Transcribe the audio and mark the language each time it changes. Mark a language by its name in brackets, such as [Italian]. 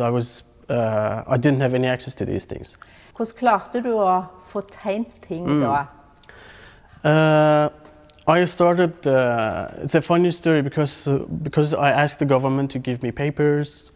[English] I was, I didn't have any access to these things. [Norwegian] Hvordan klarte du å få tegnet ting da? [English] I started, it's a funny story, because I asked the government to give me papers.